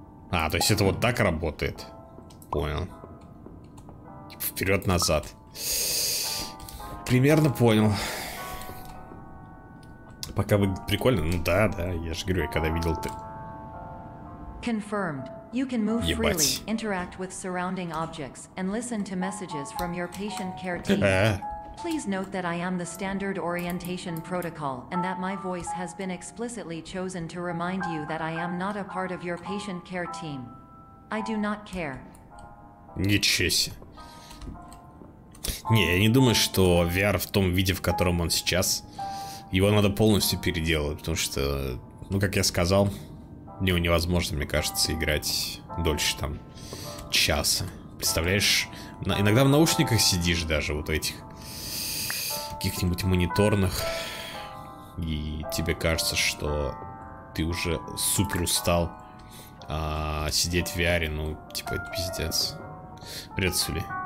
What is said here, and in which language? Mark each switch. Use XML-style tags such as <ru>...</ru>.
<ru>А, то есть это вот так работает. Понял. Типа вперед-назад. Примерно понял. Пока выглядит прикольно. Ну да, да, я же говорю, я когда видел ты.</ru> <en>Confirmed. You can move freely, interact with surrounding objects, and listen to messages from your patient care team. Please note that I am the standard orientation protocol, and that my voice has been explicitly chosen to remind you that I am not a part of your patient care team. I do not care.</en> <ru>Ничего себе. Не, я не думаю, что VR в том виде, в котором он сейчас, его надо полностью переделать, потому что, ну, как я сказал, в него невозможно, мне кажется, играть дольше, там, часа. Представляешь, иногда в наушниках сидишь даже, вот этих, каких-нибудь мониторных, и тебе кажется, что ты уже супер устал сидеть в VR, ну, типа, это пиздец. Придется ли?</ru>